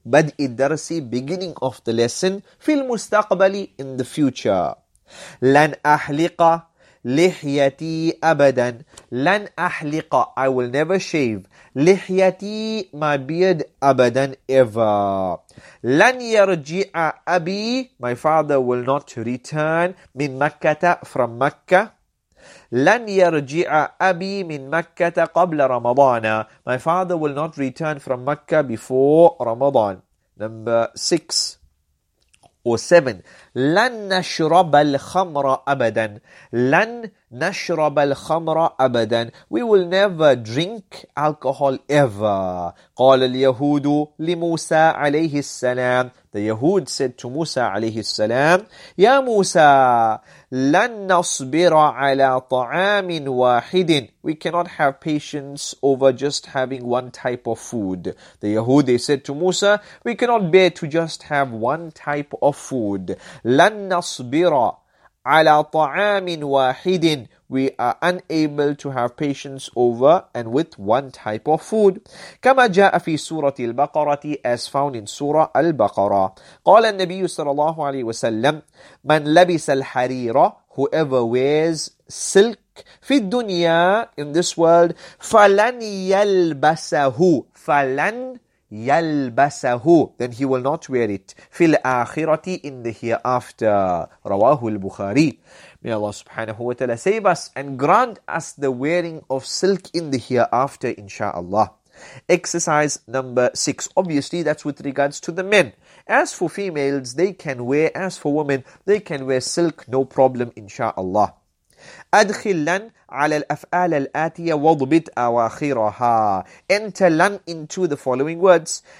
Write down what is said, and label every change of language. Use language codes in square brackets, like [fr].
[ar] بدء الدرس, [en] beginning of the lesson. [ar] في المستقبل, [en] in the future. [ar] لن أحلق لحيتي أبدا. لن أحلق, [en] I will never shave. لحيتي, my beard, أبدا, ever. [ar] لن يرجع أبي, [en] my father will not return. [ar] من مكة, from مكة. لن يرجع أبي من مكة قبل رمضان. [en] My father will not return from مكة before رمضان. Number 6. Or 7. [ar] لن نشرب الخمر أبدا. لن نشرب الخمر أبدا. [en] We will never drink alcohol ever. [ar] قال اليهود لموسى عليه السلام. [en] The Yahud said to Musa عليه السلام, [ar] يا موسى لن نصبر على طعام واحد. [en] We cannot have patience over just having one type of food. The Yahud, they said to Musa, we cannot bear to just have one type of food. [ar] لن نصبر على طعام واحد. [en] We are unable to have patience over and with one type of food. [ar] كما جاء في سورة البقرة, [en] as found in [ar] سورة البقرة. قال النبي صلى الله عليه وسلم, من لبس الحريرة, [en] whoever wears silk, [ar] في الدنيا, [en] in this world, [ar] فلن يلبسه, فلن يلبسه, [en] then he will not wear it, [ar] في الآخرة, [en] in the hereafter. [ar] رواه البخاري. [en] May Allah subhanahu wa ta'ala save us and grant us the wearing of silk in the hereafter, insha'Allah. Exercise number 6. Obviously, that's with regards to the men. As for females, they can wear, as for women, they can wear silk, no problem, insha'Allah. [ar] أدخل لن على الأفعال الآتية وضبط أواخرها. [en] Enter لن into the following words.